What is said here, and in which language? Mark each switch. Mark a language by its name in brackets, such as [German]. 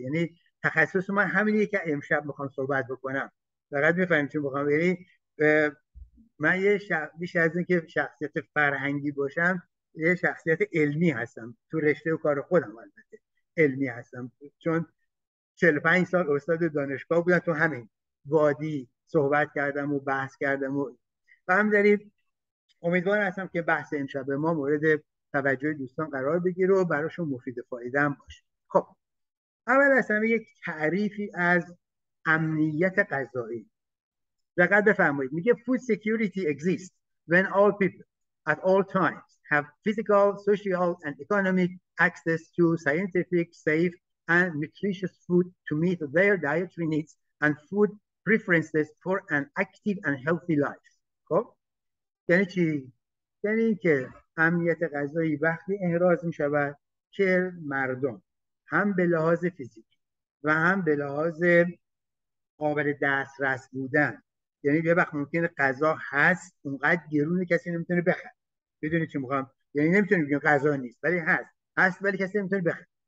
[Persian] یعنی تخصص من همینیه که امشب میخوام صحبت بکنم، فقط میفهمیم چون میخوام، یعنی من یه بیش از این که شخصیت فرهنگی باشم یه شخصیت علمی هستم تو رشته و کار خودم، البته علمی هستم چون 45 سال استاد دانشگاه بودم تو همین وادی صحبت کردم و بحث کردم و هم داریم. امیدوار هستم که بحث امشب ما مورد توجه دوستان قرار بگیره و براشون مفید فایده هم باشه. خب اول از همه یک تعریفی از امنیت غذایی. دقت بفرمایید، میگه [English] food security exists when all people at all times have physical, social and economic access to scientific, safe and nutritious food to meet their dietary needs and food preferences for an active and healthy life. [Persian] خب یعنی چی؟ یعنی اینکه امنیت غذایی وقتی احراز می شود که مردم هم به لحاظ فیزیکی و هم به لحاظ قابل دسترس بودن، یعنی یه وقت ممکنه غذا هست اونقدر گرونه کسی نمیتونه بخره، میدونی چی میخوام؟ یعنی نمیتونه بگیم غذا نیست ولی هست، هست ولی کسی نمیتونه بخره.